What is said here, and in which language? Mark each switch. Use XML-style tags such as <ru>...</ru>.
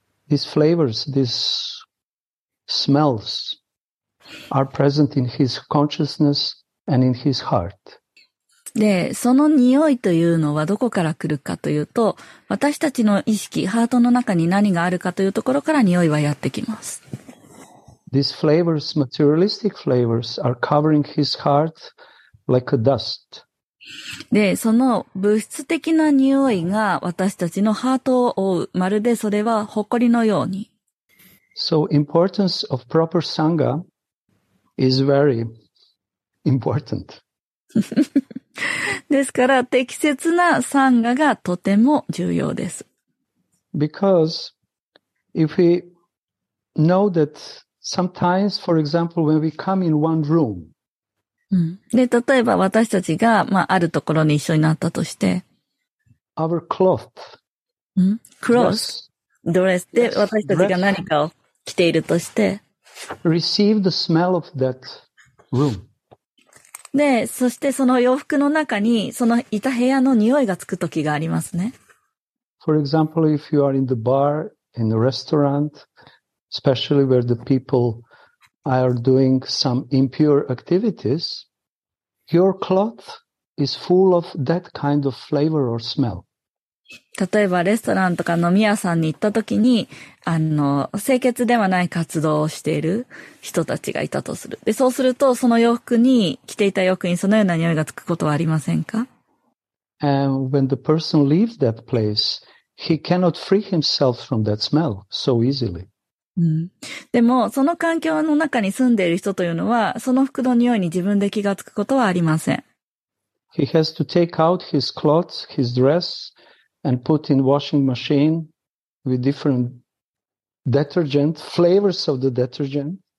<en>These flavors, these smells are present in his consciousness and in his heart.</en> <ja>で、その匂いというのはどこから来るかというと、私たちの意識、ハートの中に何があるかというところから匂いはやってきます。</ja> <en>These flavors, materialistic flavors, are covering his heart like a dust.</en> <ja>で、その物質的な匂いが私たちのハートを覆う。まるでそれは埃のように。</ja> <en>So, importance of proper sangha is very important.</en> <ja>ですから、適切なサンガがとても重要です。</ja> <en>Because, if we know that sometimes, for example, when we come in one room,</en> <ja>うん、で、例えば私たちが、まあ、あるところに一緒になったとして。</ja> <en>Our cloth.</en> <ja>Cloth.、うん、ドレスで私たちが何かを着ているとして。</ja> <en>Receive the smell of that room.</en> <ja>で、そしてその洋服の中に、そのいた部屋の匂いがつくときがありますね。</ja> <en>For example, if you are in the bar, in the restaurant, especially where the peopleare doing some impure activities, your cloth is full of that kind of flavor or smell.</en> <ja>例えばレストランとか飲み屋さんに行った時に、清潔ではない活動をしている人たちがいたとする。で、そうすると、その洋服に、着ていた洋服にそのような匂いがつくことはありませんか？</ja> <en>And when the person leaves that place, he cannot free himself from that smell so easily.</en> <ja>うん、でも、その環境の中に住んでいる人というのは、その服の匂いに自分で気がつくことはありません。</ja> <en>He has to take out his clothes, his dress, and put in washing machine with different detergent, flavors of the detergent,、</en>